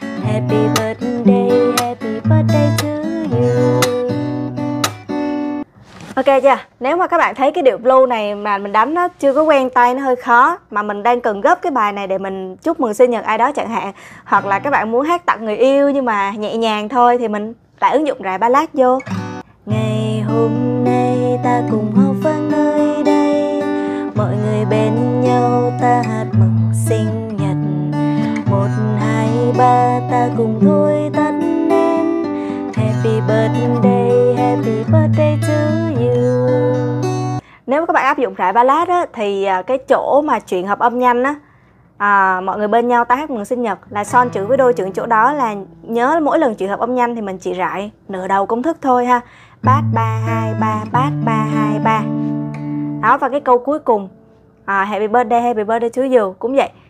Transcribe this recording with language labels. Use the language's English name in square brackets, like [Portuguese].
[English] Happy birthday, happy birthday to you. [Vietnamese] Ok chưa? Nếu mà các bạn thấy cái điệu blue này mà mình đánh nó chưa có quen tay, nó hơi khó, mà mình đang cần gấp cái bài này để mình chúc mừng sinh nhật ai đó chẳng hạn, hoặc là các bạn muốn hát tặng người yêu nhưng mà nhẹ nhàng thôi, thì mình lại ứng dụng rải ballad vô. Ngày hôm nay ta cùng hò vang nơi đây, mọi người bên nhau ta hát mừng sinh nhật. 1, 2, 3 ta cùng thôi tắt nên. [English] Happy birthday, happy birthday to you. [Vietnamese] Nếu các bạn áp dụng rải ballad á, thì cái chỗ mà chuyển hợp âm nhanh á, mọi người bên nhau ta hát mừng sinh nhật, là son chữ với đôi chữ chỗ đó, là nhớ mỗi lần chuyển hợp âm nhanh thì mình chỉ rải nửa đầu công thức thôi ha. Bát 3, 2, 3, bát 3, 2, 3. Đó, và cái câu cuối cùng, [English] happy birthday, happy birthday to you, [Vietnamese] cũng vậy.